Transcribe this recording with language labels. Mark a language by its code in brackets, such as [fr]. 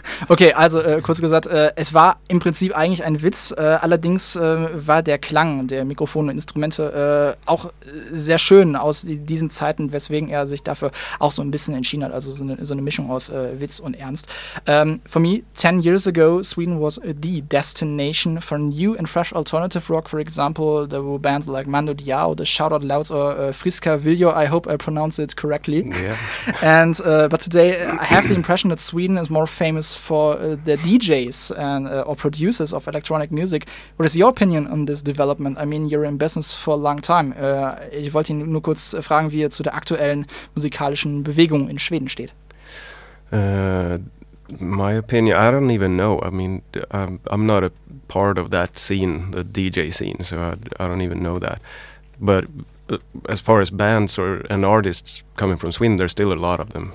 [de] Okay, also kurz gesagt, es war im Prinzip eigentlich ein Witz, allerdings war der Klang der Mikrofone und Instrumente auch sehr schön aus diesen Zeiten, weswegen er sich dafür auch so ein bisschen entschieden hat, also so eine Mischung aus Witz und Ernst. [en] For me, 10 years ago, Sweden was the destination for new and fresh alternative rock, for example, there were bands like Mando Diao, The Shout Out Louds or Friska Viljo, I hope I pronounce it correctly. Yeah. And but today, I have the impression that Sweden is more famous for the DJs and or producers of electronic music. What is your opinion on this development? I mean, you're in business for a long time. [de] Ich wollte ihn nur kurz fragen, wie er zu der aktuellen musikalischen Bewegung in Schweden steht. [en] My opinion, I don't even know. I mean, I'm not a part of that scene, the DJ scene, so I don't even know that. But as far as bands or and artists coming from Sweden, there's still a lot of them.